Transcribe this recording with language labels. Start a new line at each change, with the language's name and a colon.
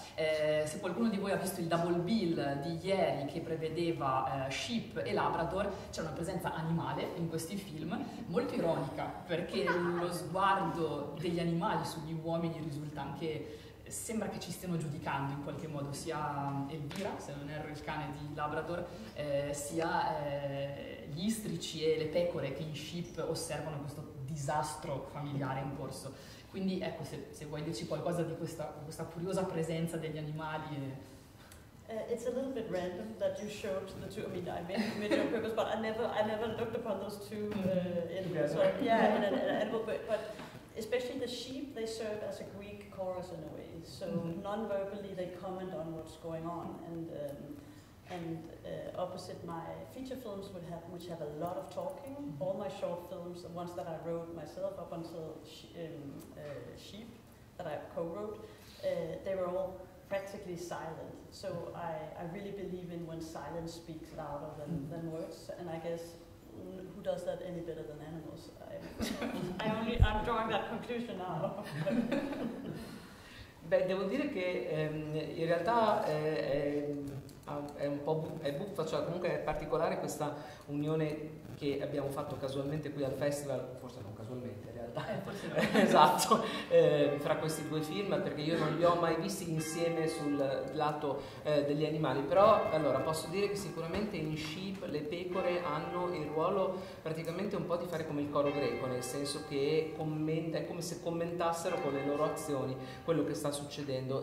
Italian: Se qualcuno di voi ha visto il Double Bill di ieri, che prevedeva Sheep e Labrador, c'è una presenza animale in questi film, molto ironica, perché lo sguardo degli animali sugli uomini risulta anche, sembra che ci stiano giudicando in qualche modo, sia Elvira, se non erro il cane di Labrador, sia gli istrici e le pecore che in Sheep osservano questo disastro familiare in corso. Quindi ecco, se vuoi dirci qualcosa di questa curiosa presenza degli animali.
English: It's a little bit random that you showed the two. I mean, I made it on purpose, but I never looked upon those two in the so, yeah, in an animal. But especially the sheep, they serve as a Greek chorus in a way. So non-verbally they comment on what's going on. And opposite my feature films, which have a lot of talking, all my short films, the ones that I wrote myself up until Sheep, that I co-wrote, they were all practically silent. So I really believe in when silence speaks louder than words, and I guess who does that any better than animals? I'm drawing that conclusion now.
Italian: Beh, devo dire che in realtà è un po' buffa, cioè comunque è particolare questa unione che abbiamo fatto casualmente qui al festival, forse non casualmente in realtà, forse no. Esatto, fra questi due film, perché io non li ho mai visti insieme sul lato degli animali, però allora posso dire che sicuramente in Sheep le pecore hanno il ruolo praticamente un po' di fare come il coro greco, nel senso che è come se commentassero con le loro azioni quello che sta succedendo.